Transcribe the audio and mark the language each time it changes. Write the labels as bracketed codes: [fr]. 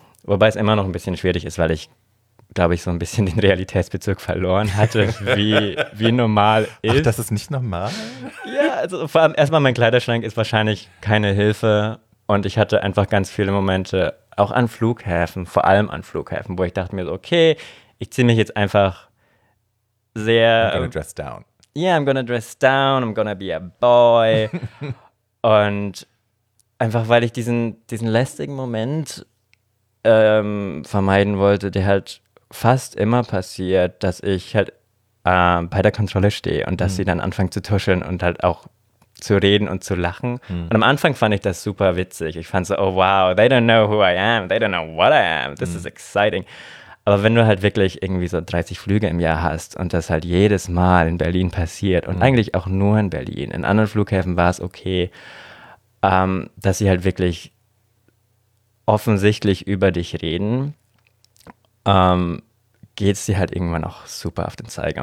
[de] Wobei es immer noch ein bisschen schwierig ist, weil ich, glaube ich, so ein bisschen den Realitätsbezug verloren hatte, wie normal ist. Ach, das ist nicht normal? Ja, also vor allem erstmal mein Kleiderschrank ist wahrscheinlich keine Hilfe und ich hatte einfach ganz viele Momente, auch an Flughäfen, vor allem an Flughäfen, wo ich dachte mir so, okay, ich ziehe mich jetzt einfach sehr... [en] I'm gonna dress down. Yeah, I'm gonna dress down, I'm gonna be a boy. [de] Und einfach, weil ich diesen lästigen Moment vermeiden wollte, der halt fast immer passiert, dass ich halt bei der Kontrolle stehe und dass sie dann anfangen zu tuscheln und halt auch zu reden und zu lachen. Mm. Und am Anfang fand ich das super witzig. Ich fand so, [en] oh wow, they don't know who I am, they don't know what I am, this is exciting. [de] Aber wenn du halt wirklich irgendwie so 30 Flüge im Jahr hast und das halt jedes Mal in Berlin passiert und eigentlich auch nur in Berlin, in anderen Flughäfen war es okay, dass sie halt wirklich offensichtlich über dich reden, geht es dir halt irgendwann auch super auf den Zeiger.